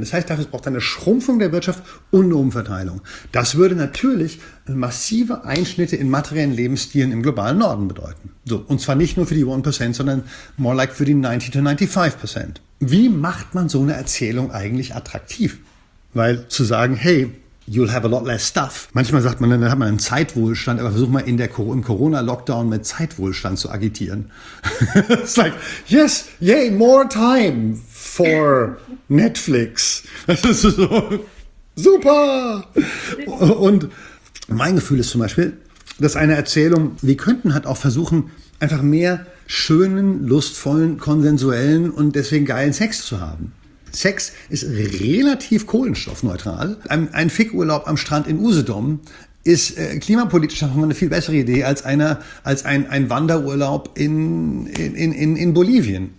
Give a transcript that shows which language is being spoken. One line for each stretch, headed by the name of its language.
German: Das heißt, dafür braucht es eine Schrumpfung der Wirtschaft und eine Umverteilung. Das würde natürlich massive Einschnitte in materiellen Lebensstilen im globalen Norden bedeuten. So, und zwar nicht nur für die 1%, sondern
English: more like
German: für die 90-95%. Wie macht man so eine Erzählung eigentlich attraktiv? Weil zu sagen,
English: hey, you'll have a lot less stuff.
German: Manchmal sagt man, dann hat man einen Zeitwohlstand, aber versuch mal im Corona-Lockdown mit Zeitwohlstand zu agitieren.
English: It's like, yes, yay, more time for Netflix.
German: Das ist so, super! Und mein Gefühl ist zum Beispiel, dass eine Erzählung, wir könnten halt auch versuchen, einfach mehr schönen, lustvollen, konsensuellen und deswegen geilen Sex zu haben. Sex ist relativ kohlenstoffneutral. Ein Fickurlaub am Strand in Usedom ist klimapolitisch eine viel bessere Idee als ein Wanderurlaub in Bolivien.